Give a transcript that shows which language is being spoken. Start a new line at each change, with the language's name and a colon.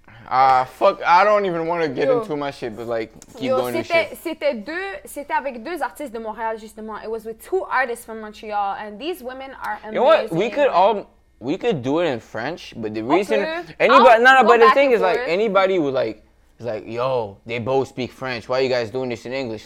English: I don't even want to get into my shit, but like, keep going with shit.
French: C'était avec deux artistes de Montréal, justement.
English: It was with two artists from Montreal, and these women are amazing. You know what? We could do it in French, but the reason anybody would like is like, yo, they both speak French. Why are you guys doing this in English?